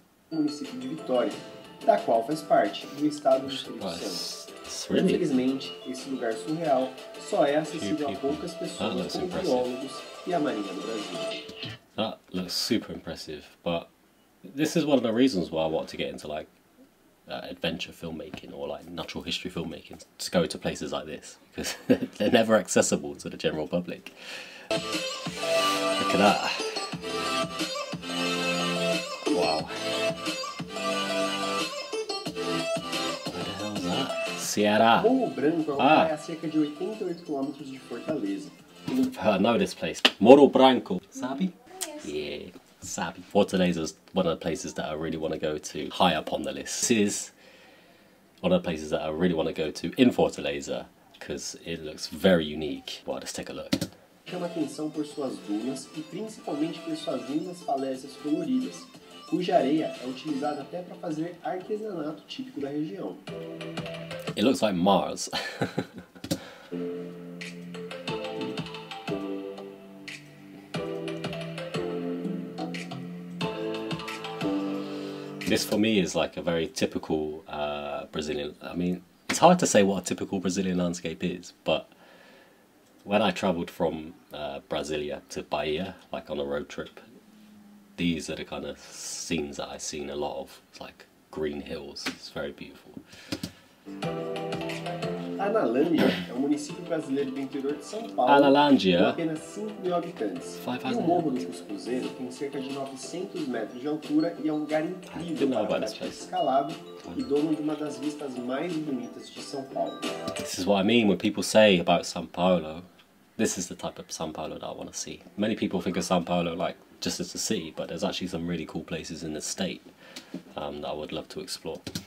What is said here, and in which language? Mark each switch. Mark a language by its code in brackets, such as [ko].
[pt] Município de Vitória, da qual faz parte do estado do Espírito Santo. [en] Really? [pt] Infelizmente, esse lugar surreal só é acessível a poucas pessoas, como [en] impressive [pt] biólogos e a Marinha do Brasil. [en] That looks super impressive, but this is one of the reasons why I want to get into like adventure filmmaking or like natural history filmmaking, to go to places like this because they're never accessible to the general public. Look at that. Wow. What the hell is that? Sierra. [pt] Morro Branco é uma praia a cerca de 88 km de Fortaleza. [en] I know this place. Morro Branco. [pt] Sabe? [en] Yes. Yeah. [pt] Sabe. [en] Fortaleza is one of the places that I really want to go to. High up on the list. This is one of the places that I really want to go to in Fortaleza because it looks very unique. Well, let's take a look. [pt] Chama atenção por suas dunas e principalmente por suas lindas falésias coloridas, cuja areia é utilizada até para fazer artesanato típico da região. [en] It looks like Mars. This for me is like a very typical Brazilian, I mean, it's hard to say what a typical Brazilian landscape is, but when I traveled from Brasilia to Bahia, like on a road trip, these are the kind of scenes that I've seen a lot of. It's like green hills, it's very beautiful. [pt] Analândia é um município brasileiro do interior de São Paulo. Analândia. Com apenas 5 mil habitantes. [en] Five [pt] e o Morro do Cuscuzeiro tem cerca de 900 metros de altura e é um lugar incrível para praticar escalado e dono de uma das vistas mais bonitas de São Paulo. [en] This is what I mean when people say about São Paulo. This is the type of São Paulo that I want to see. Many people think of São Paulo like just as a city, but there's actually some really cool places in the state that I would love to explore.